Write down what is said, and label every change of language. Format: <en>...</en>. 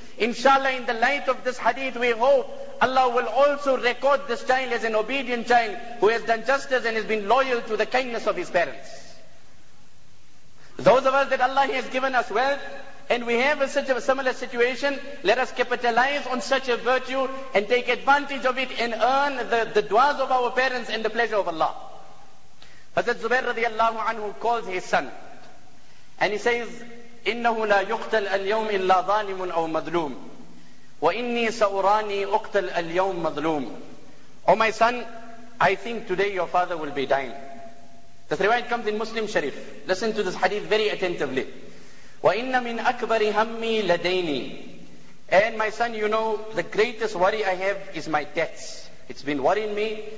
<en>Inshallah, in the light of this hadith, we hope Allah will also record this child as an obedient child who has done justice and has been loyal to the kindness of his parents. Those of us that Allah has given us wealth, and we have a similar situation, let us capitalize on such a virtue and take advantage of it and earn the du'as of our parents and the pleasure of Allah. Hazrat Zubair radiallahu anhu calls his son and he says,</en> <ar>إِنَّهُ لَا يُقْتَلَ الْيَوْمِ إِلَّا ظَالِمٌ أَوْ مَظْلُومٌ وَإِنِّي سَأُرَانِي أُقْتَلَ الْيَوْمِ مَظْلُومٌ.</ar> <en>Oh my son, I think today your father will be dying. This riwayat comes in Muslim Sharif. Listen to this hadith very attentively.</en> <ar>وَإِنَّ مِنْ أَكْبَرِ هَمِّي لَدَيْنِي.</ar> <en>And my son, you know, the greatest worry I have is my debts. It's been worrying me.</en>